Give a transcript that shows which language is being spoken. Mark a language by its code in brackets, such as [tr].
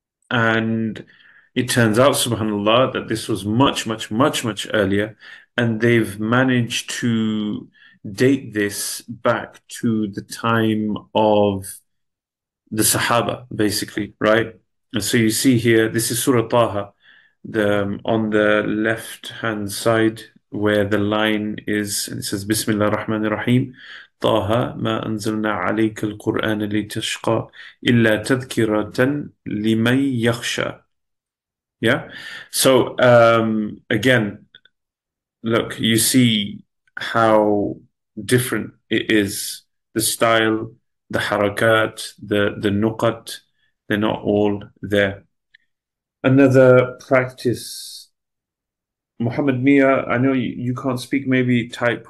[en] And it turns out, subhanAllah, that this was much, much, much, much earlier, and they've managed to date this back to the time of the Sahaba, basically, right? And so you see here, this is Surah Taha, on the left-hand side where the line is, and it says, [ar] Bismillah ar-Rahman ar-Rahim. طه ما أنزلنا عليك القرآن لتشقى إلا تذكرة لمن يخشى. [en] Yeah. So again, look, you see how different it is. The style, the harakat, the nuqat, they're not all there. Another practice. Muhammad Mia, I know you can't speak, maybe type.